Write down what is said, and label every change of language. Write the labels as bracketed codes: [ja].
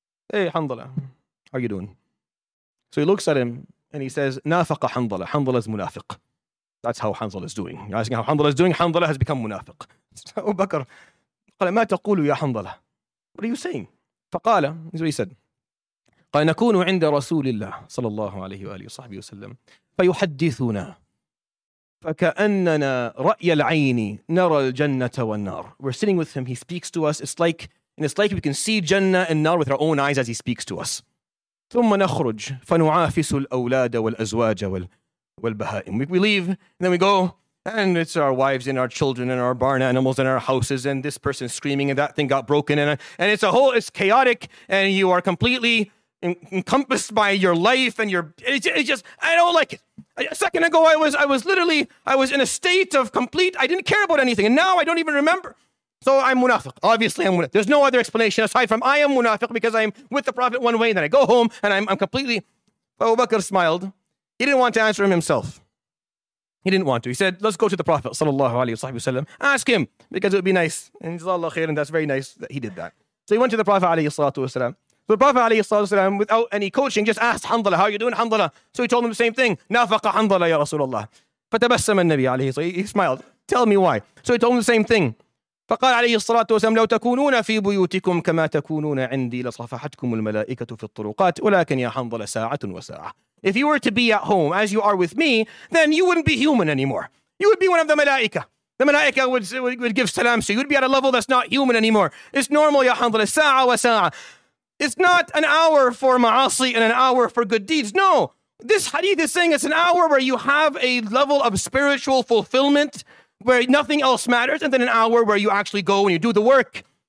[en] Hey, Hanzala, how are you doing? So he looks at him and he says, Nafaqa Hanzala. Hanzala is munafiq. That's how Hanzala is doing. You're asking how Hanzala is doing? Hanzala has become munafiq. So Abu Bakr, قال, [ar] ما تقول يا Hanzala? [en] What are you saying? فقال, this is what he said. [ar] قال نكون عند رسول الله صلى الله عليه وآله وصحبه وسلم فيحدثنا فكأننا رأي العين نرى الجنة والنار. [en] We're sitting with him. He speaks to us. It's like we can see Jannah and Nar with our own eyes as he speaks to us. [ar] ثم نخرج فنعافس الأولاد والأزواج والبهائم. [en] We leave and then we go and it's our wives and our children and our barn animals and our houses and this person screaming and that thing got broken and it's a whole, it's chaotic and you are completely encompassed by your life and your, it's just, I don't like it. A second ago, I was in a state of complete, I didn't care about anything, and now I don't even remember. So I'm munafiq. Obviously, I'm munafiq. There's no other explanation aside from I am munafiq because I'm with the Prophet one way, and then I go home, and I'm completely. Abu Bakr smiled. He didn't want to answer him himself. He didn't want to. He said, let's go to the Prophet, sallallahu alayhi wa sallam, ask him, because it would be nice. And jazallah khair, and that's very nice that he did that. So he went to the Prophet, alayhi salatu wa sallam. So the Prophet [ar] عليه الصلاة والسلام, [en] without any coaching, just asked Hanzala, how are you doing, Hanzala? So he told him the same thing. [ar] نافق Hanzala يا رسول الله. فتبسم النبي عليه الصلاة والسلام. [en] He smiled. Tell me why. So he told him the same thing. [ar] فقال عليه الصلاة والسلام لو تكونون في بيوتكم كما تكونون عندي لصفحتكم الملائكة في الطرقات ولكن يا Hanzala ساعة وساعة. [en] If you were to be at home as you are with me, then you wouldn't be human anymore. You would be one of the ملائكة. The Malaika would give salam to you. You'd be at a level that's not human anymore. It's normal, [ar] يا Hanzala, ساعة وساعة. [en] It's not an hour for ma'asi and an hour for good deeds. No, this hadith is saying it's an hour where you have a level of spiritual fulfillment where nothing else matters, and then an hour where you actually go and you do the work.